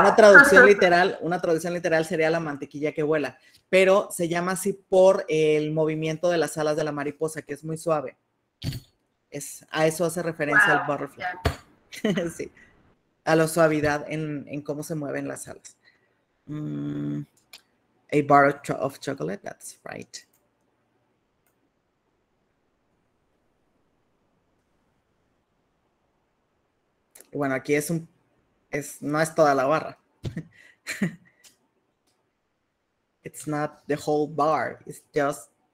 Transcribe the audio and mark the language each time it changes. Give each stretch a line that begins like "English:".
Spanish: Una traducción literal sería la mantequilla que vuela, pero se llama así por el movimiento de las alas de la mariposa, que es muy suave. A eso hace referencia el butterfly. Yeah. Sí. A la suavidad en cómo se mueven las alas.
English: A bar of chocolate, that's right.
Spanish: Bueno, aquí no es toda la barra.
English: It's not the whole bar, it's just...